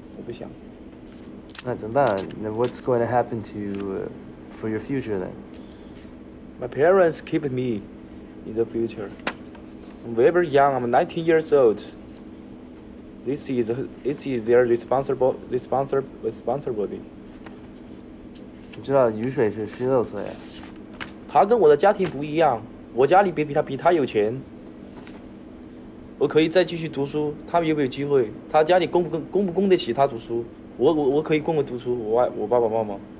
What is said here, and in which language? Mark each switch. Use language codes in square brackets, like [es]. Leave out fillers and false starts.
[zh] 但是我觉得我这个性格不适合干这些，我觉得我太傲慢了，我看不起这些一切的事情，我觉得我自己是强包中出来的，我不想。那怎么办？ [en] What's going to happen to you for your future then? My parents keep me in the future. I'm very young. I'm 19 years old. This is their responsibility. [zh] 你知道雨水是16岁，他跟我的家庭不一样，我家里比他有钱，我可以再继续读书，他们有没有机会？他家里供不供得起他读书？我可以供个读书，我爸爸妈妈。